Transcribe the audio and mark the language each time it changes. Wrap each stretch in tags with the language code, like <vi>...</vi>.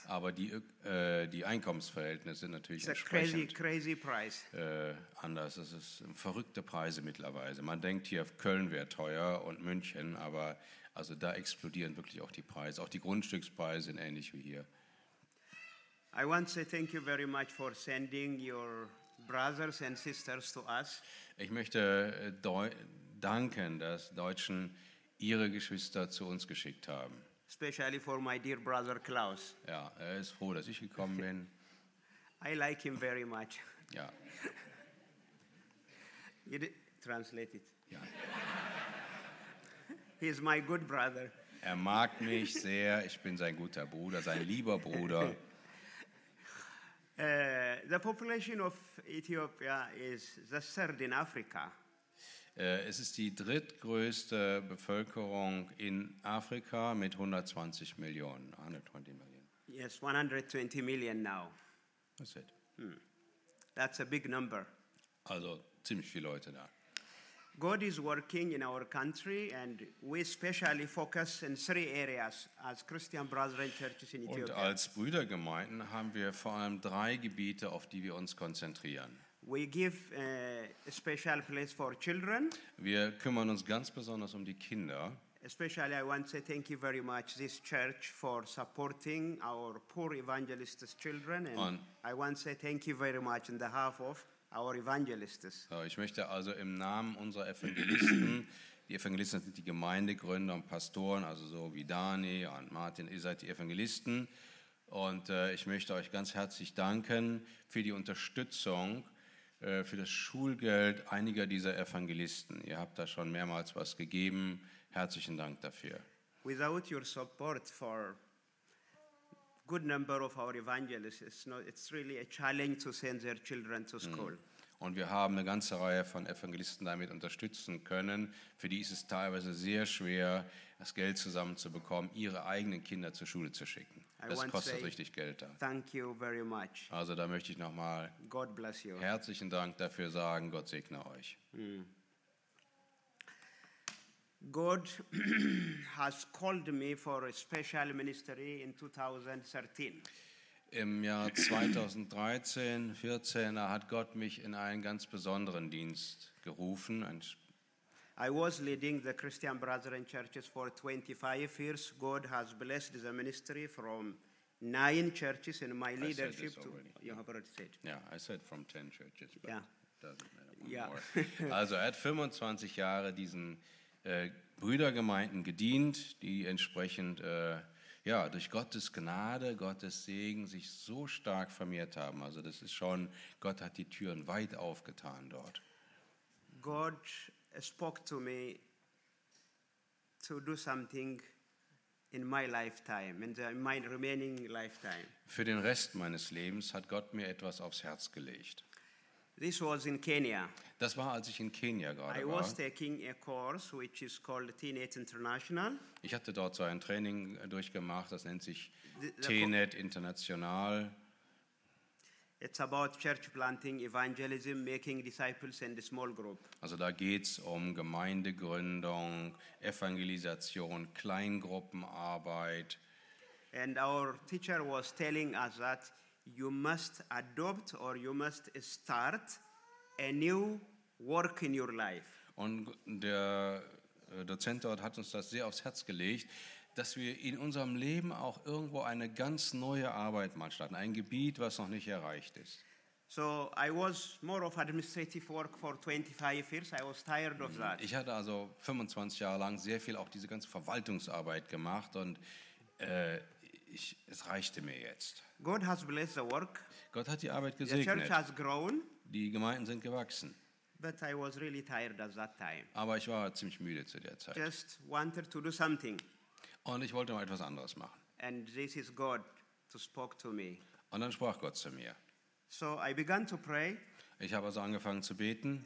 <de>Aber die Einkommensverhältnisse sind natürlich</de> <en>it's</en> <de>entsprechend</de> <en>crazy price.</en> <de>Anders. Es sind verrückte Preise mittlerweile. Man denkt hier, Köln wäre teuer und München, aber also da explodieren wirklich auch die Preise. Auch die Grundstückspreise sind ähnlich wie hier.</de> <en>I want to thank you very much for sending your brothers and sisters to us.</en> <de>Ich möchte danken, dass Deutschen ihre Geschwister zu uns geschickt haben.</de> <en>Especially for my dear brother Klaus.</en> <de>Ja, er ist froh, dass ich gekommen bin.</de> <en>I like him very much.</en> <de>Ja.</de> <en>Translate it.</en> <de>Ja.</de> <en>He is my good brother.</en> <de>Er mag mich sehr. Ich bin sein guter Bruder, sein lieber Bruder.</de> <en>The population of Ethiopia is the third in Africa.</en> <de>Es ist die drittgrößte Bevölkerung in Afrika mit 120 Millionen, 120 Millionen.</de> <en>Yes, 120 million now. That's it. Hmm. That's a big number.</en> <de>Also ziemlich viele Leute da.</de> <en>God is working in our country and we especially focus in three areas as Christian Brethren Churches in Ethiopia.</en> <de>Und als Brüdergemeinden haben wir vor allem drei Gebiete, auf die wir uns konzentrieren.</de> <en>We give a special place for children.</en> <de>Wir kümmern uns ganz besonders um die Kinder.</de> <en>Especially I want to say thank you very much this church for supporting our poor evangelists' children and I want to say thank you very much on behalf of our evangelists.</en> <de>So, ich möchte also im Namen unserer Evangelisten, die Evangelisten sind die Gemeindegründer und Pastoren, also so wie Dani und Martin, ihr seid die Evangelisten. Und ich möchte euch ganz herzlich danken für die Unterstützung, für das Schulgeld einiger dieser Evangelisten. Ihr habt da schon mehrmals was gegeben. Herzlichen Dank dafür.</de> <en>Without your support for good number of our evangelists, it's really a challenge to send their children to school.</en> <de>Und wir haben eine ganze Reihe von Evangelisten damit unterstützen können. Für die ist es teilweise sehr schwer, das Geld zusammenzubekommen, ihre eigenen Kinder zur Schule zu schicken. Das kostet richtig Geld da.</de> <en>Thank you very much.</en> <de>Also da möchte ich nochmal herzlichen Dank dafür sagen. Gott segne euch.</de> <en>God has called me for a special ministry in 2013.</en> <de>Im Jahr 2013, 14 hat Gott mich in einen ganz besonderen Dienst gerufen.</de> <en>I was leading the Christian Brethren churches for 25 years. God has blessed the ministry from 9 churches in my leadership. I said this already. You have already said. Yeah, I said from 10 churches, but yeah. Doesn't matter.</en> <de>Also er hat 25 Jahre diesen Brüdergemeinden gedient, die entsprechend ja, durch Gottes Gnade, Gottes Segen sich so stark vermehrt haben. Also das ist schon, Gott hat die Türen weit aufgetan dort.</de> <en>God spoke to me to do something in my lifetime, in my remaining lifetime.</en> <de>Für den Rest meines Lebens hat Gott mir etwas aufs Herz gelegt.</de> <en>This was in Kenya.</en> <de>Das war, als ich in Kenia gerade war.</de> <en>I was taking a course which is called TNET International.</en> <de>Ich hatte dort so ein Training durchgemacht, das nennt sich TNET International.</de> <en>It's about church planting, evangelism, making disciples and a small group.</en> <de>Also da geht's um Gemeindegründung, Evangelisation, Kleingruppenarbeit.</de> <en>And our teacher was telling us that you must adopt or you must start a new work in your life.</en> <de>Und der Dozent dort hat uns das sehr aufs Herz gelegt, dass wir in unserem Leben auch irgendwo eine ganz neue Arbeit mal starten, ein Gebiet, was noch nicht erreicht ist.</de> <en>So I was more of administrative work for 25 years. I was tired of that.</en> <de>Ich hatte also 25 Jahre lang sehr viel auch diese ganze Verwaltungsarbeit gemacht und es reichte mir jetzt.</de> <en>God has blessed the work.</en> <de>Gott hat die Arbeit gesegnet.</de> <en>The church has grown.</en> <de>Die Gemeinden sind gewachsen.</de> <en>But I was really tired at that time.</en> <de>Aber ich war ziemlich müde zu der Zeit.</de> <en>Just wanted to do something.</en> <de>Und ich wollte mal etwas anderes machen.</de> <en>And this is God who spoke to me.</en> <de>Und dann sprach Gott zu mir.</de> <en>So I began to pray.</en> <de>Ich habe also angefangen zu beten.</de>